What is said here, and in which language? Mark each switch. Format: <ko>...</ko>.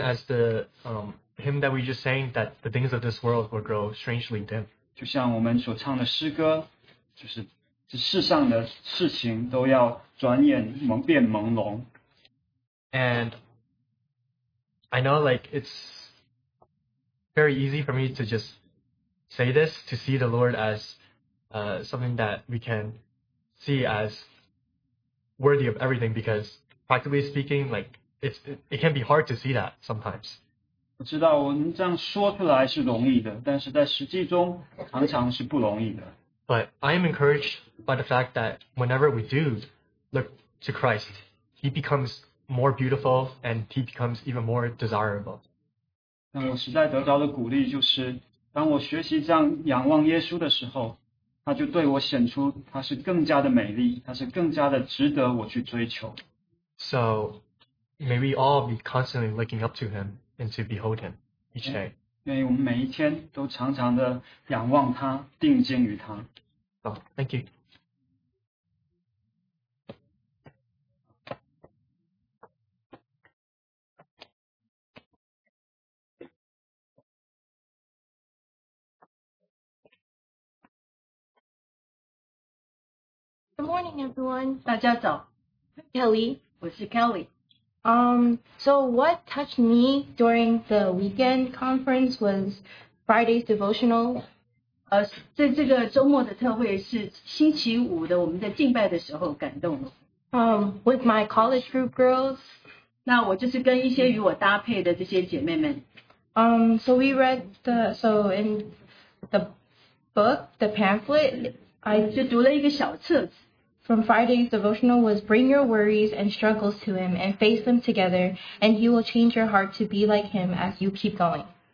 <en>as the hymn that we just sang, that the things of this world will grow strangely dim.</en> <zh>就像我们所唱的诗歌，就是这世上的事情都要转眼变朦胧。</zh> <en>And I know, like, it's very easy for me to just say this, to see the Lord as something that we can see as worthy of everything, because practically speaking, like it can be hard to see that sometimes.</en> <zh>我知道我们这样说出来是容易的，但是在实际中常常是不容易的。</zh> <en>But I am encouraged by the fact that whenever we do look to Christ, he becomes more beautiful and he becomes even more desirable.</en> <zh>那我实在得到的鼓励就是, 当我学习这样仰望耶稣的时候, 他就对我显出他是更加的美丽, 他是更加的值得我去追求。</zh> <en>So, may we all be constantly looking up to him and to behold him each day.</en> <zh>因为我们每一天都常常的仰望他, 定睛于他。</zh> <en>So, thank you. Good morning, everyone.</en> <zh>大家早.</zh> <en>I'm Kelly.</en> <zh>我是 Kelly.</zh> <en>So what touched me during the weekend conference was Friday's devotional.</en> <zh>在这个周末的特会是星期五的我们在敬拜的时候感动了.</zh> <en>With my college group girls.</en> <zh>那我就是跟一些与我搭配的这些姐妹们.</zh> <en>So we read the in the book, the pamphlet.</en> <zh>就读了一个小册子.</zh> <en>From Friday's devotional was bring your worries and struggles to him and face them together and he will change your heart to be like him as you keep going.</en>